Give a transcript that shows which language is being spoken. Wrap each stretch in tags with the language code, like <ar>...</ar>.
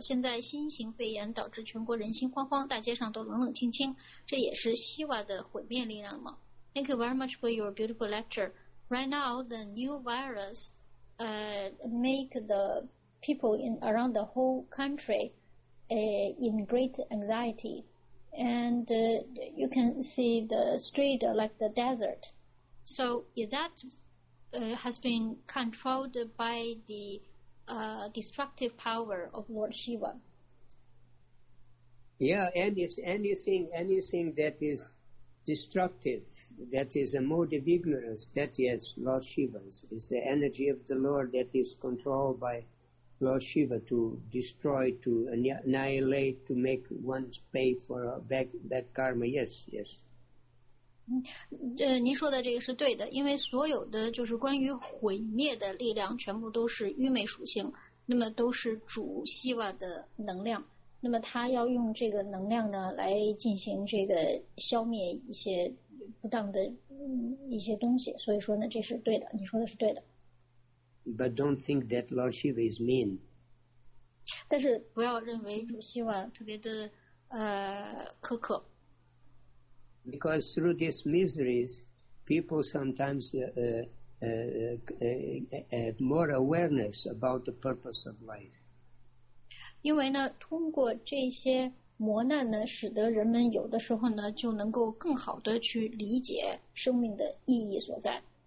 <zh>现在新型肺炎导致全国人心惶惶，大街上都冷冷清清，这也是希瓦的毁灭力量吗？</zh> <en>Thank you very much for your beautiful lecture. Right now, the new virus make the people in around the whole country in great anxiety. And you can see the street like the desert. So is that has been controlled by the destructive power of Lord Shiva? Yeah, and it's anything that is destructive, that is a mode of ignorance, that is Lord Shiva's. It's the energy of the Lord that is controlled by Lord Shiva to destroy, to annihilate, to make one pay for a bad karma. Yes, yes.</en> <zh>您说的这个是对的，因为所有的就是关于毁灭的力量，全部都是愚昧属性，那么都是主希瓦的能量，那么他要用这个能量呢来进行这个消灭一些不当的一些东西，所以说呢，这是对的，你说的是对的。</zh> <en>But don't think that Lord Shiva is mean.</en> <zh>但是不要认为主希瓦特别的苛刻。</zh> <en>Because through these miseries, people sometimes have more awareness about the purpose of life.</en> <zh>因为呢，通过这些磨难呢，使得人们有的时候呢，就能够更好的去理解生命的意义所在。</zh>